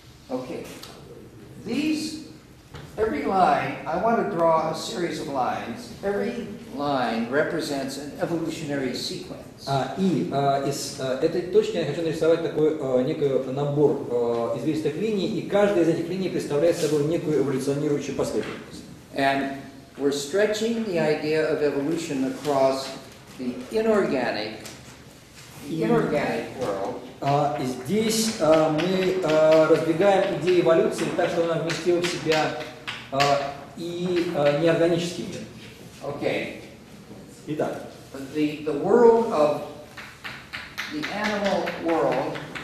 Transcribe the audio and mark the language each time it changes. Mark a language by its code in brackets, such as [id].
[en] Okay. These every line, I want to draw a series of lines. Every line represents an evolutionary sequence. [ru] Этой точки я хочу нарисовать такой некий набор известных линий, и каждая из этих линий представляет собой некую эволюционирующую последовательность. [en] And we're stretching the idea of evolution across the inorganic, inorganic world. [ru] И здесь мы раздвигаем идею эволюции так, что она вместила в себя неорганический мир. [en] Okay. [ru] Итак. [en] The world of the animal world.